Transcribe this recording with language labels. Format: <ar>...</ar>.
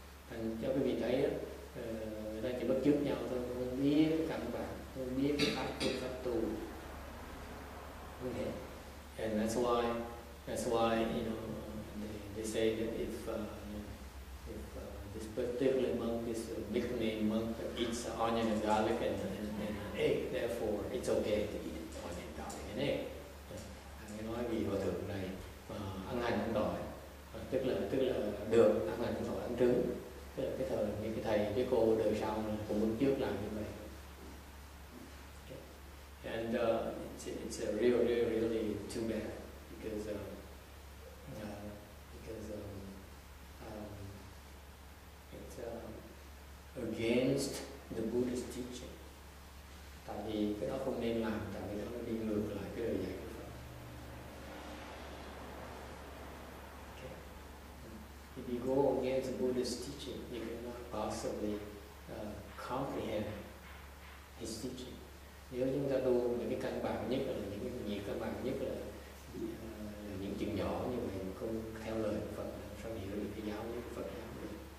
<vi>And cho quý vị thấy người ta chỉ bắt chước nhau thôi, không biết căn bản, không biết pháp tu, pháp tu.</vi> <en>Okay. And that's why you know they say that if this particular monk is a big name monk that eats onion and garlic and an egg, therefore it's okay to eat onion, garlic and egg.</en> <vi>Anh nói vì hòa thượng này ăn hành ăn tỏi, tức là được ăn hành ăn tỏi ăn trứng. Tức là cái thời những cái thầy cái cô đời sau cũng bước trước làm như vậy.</vi> <en>Okay. And it's a really too bad because it's against the Buddhist teaching.</en> <vi>Tại vì cái đó không nên làm, tại vì nó đi ngược lại cái lời dạy của Phật.</vi> <en>Okay. If you go against the Buddhist teaching, you cannot possibly comprehend his teaching.</en> <vi>Nếu chúng ta tu những cái căn bản nhất là những cái gì căn bản nhất là những chuyện nhỏ nhưng mà không theo lời của Phật làm sao hiểu được cái giáo lý của Phật giáo được.</vi>